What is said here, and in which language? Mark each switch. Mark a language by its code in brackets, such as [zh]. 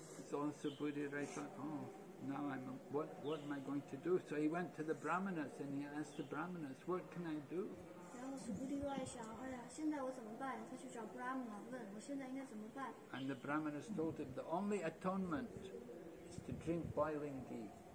[en] So Subhuti Rai thought, "Oh, now I'm, what am I going to do?" So he went to the brahmanas and he asked the brahmanas, "What can I do?" [zh] 然后苏布利外想，哎呀，现在我怎么办？他去找布拉姆问，我现在应该怎么办？ [en] And the brahmanas told him the only atonement is to drink boiling ghee.